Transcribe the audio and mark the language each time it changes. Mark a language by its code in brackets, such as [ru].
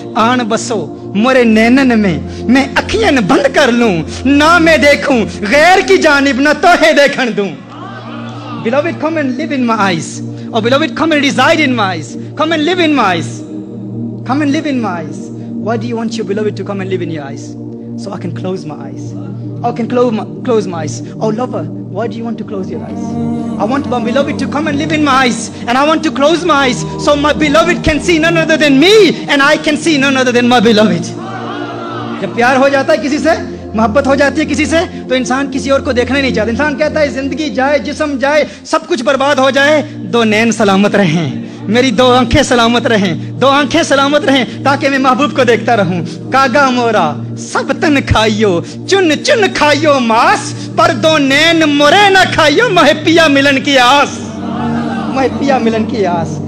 [hi] आन बसो मोरे नैनन में, मैं अखियन बंद कर लूं, ना मैं देखूं गैर की जानिब, ना तोहे देखन दूं। [en] Beloved come and live in my eyes, और beloved come and reside in my eyes, come and live in my eyes, come and live in my eyes. What do you want your beloved to come and live in your eyes? So I can close my eyes. I can close my eyes. Oh lover, why do you want to close your eyes? I want my beloved to come and live in my eyes, and I want to close my eyes so my beloved can see none other than me, and I can see none other than my beloved. [hi] जब प्यार हो जाता है किसी से, मोहब्बत हो जाती है किसी से, तो इंसान किसी और को देखने नहीं चाहता। इंसान कहता है जिंदगी जाए, जिस्म जाए, सब कुछ बर्बाद हो जाए, दो नैन सलामत रहें, मेरी दो आंखें सलामत रहें, दो आंखें सलामत रहें, ताकि मैं महबूब को देखता रहूं। कागा मोरा सब तन खाइयो, चुन चुन खाइयो मांस, पर दो नैन मोरे न खाइयो, महपिया मिलन की आस, महपिया मिलन की आस।